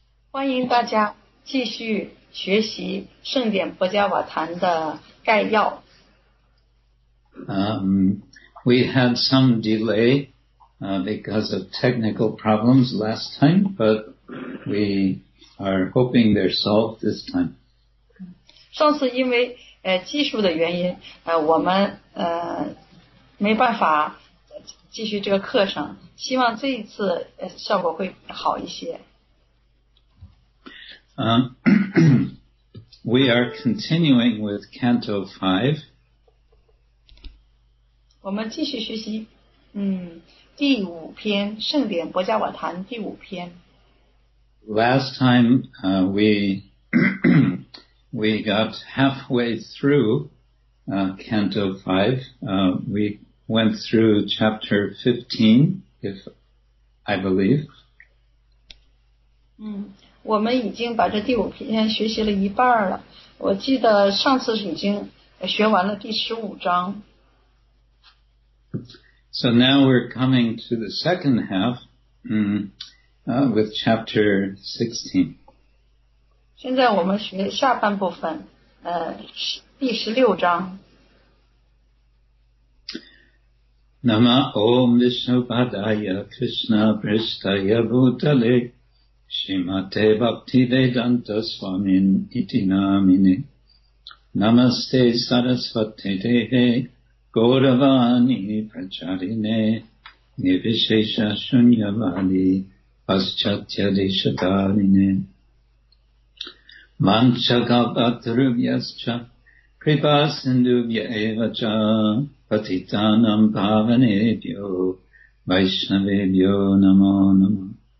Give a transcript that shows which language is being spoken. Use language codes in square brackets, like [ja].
[zh] 欢迎大家继续学习圣典婆伽瓦坛的概要。 [en] We had some delay because of technical problems last time, but we are hoping they're solved this time. [zh] 上次因为技术的原因我们没办法继续这个课程，希望这一次效果会好一些。 [en] We are continuing with Canto 5. [zh] 我们继续学习第五篇圣典婆伽瓦坛第五篇。 [en] Last time we got halfway through Canto 5. We went through chapter 15, I believe. [zh] 我们已经把这第五篇学习了一半了，我记得上次已经学完了第十五章。 [en] So now we're coming to the second half, with chapter 16. [zh] 现在我们学下半部分，第十六章。 [sa] Nama Om Vishnu Padaya Krishna Prishtaya Bhutale. Shrimate Bhakti Vedanta Swamin Iti Namine Namaste Sarasvate Dehe Gauravani Pracharine Nivishesha Shunyavadi Paschatya Deshadarine Mancha Kapatrubhyascha Kripa Sindhubhya Evacha Patitanam Pavanebhyo Vaishnavebhyo Namo